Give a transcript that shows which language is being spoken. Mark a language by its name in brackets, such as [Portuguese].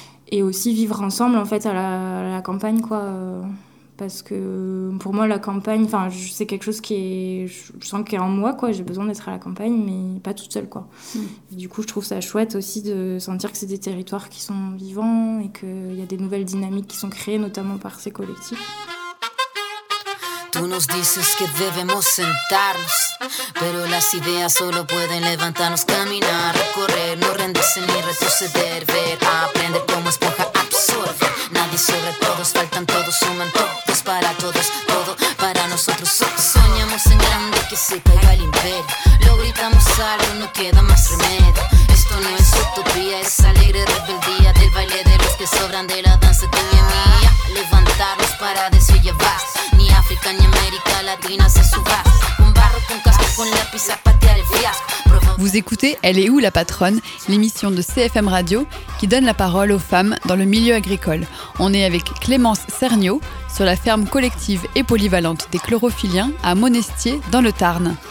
[French] Et aussi vivre ensemble, en fait, à la campagne, quoi. Parce que pour moi, la campagne, c'est quelque chose qui est en moi, quoi. J'ai besoin d'être à la campagne, mais pas toute seule, quoi. Du coup, je trouve ça chouette aussi de sentir que c'est des territoires qui sont vivants et qu'il y a des nouvelles dynamiques qui sont créées, notamment par ces collectifs. [Spanish] Tú nos dices que debemos sentarnos, pero las ideas solo pueden levantarnos, caminar, recorrer, no rendirse ni retroceder, ver, aprender como esponja absorbe. Nadie sobre todos, faltan todos, suman todos para todos, todo para nosotros. Soñamos en grande que se caiga el imperio, lo gritamos alto, no queda más remedio. Esto no es utopía, es alegre rebeldía del baile de los que sobran de la danza tuya y mía. Levantarnos para desvillevar, ni África ni América. [French] paladina, c'est souvent. On barre ton casque pour la pizza, pâté à l'fiasque. Vous écoutez Elle est où la patronne, l'émission de CFM Radio qui donne la parole aux femmes dans le milieu agricole. On est avec Clémence Cerniaud sur la ferme collective et polyvalente des chlorophylliens à Monestier dans le Tarn.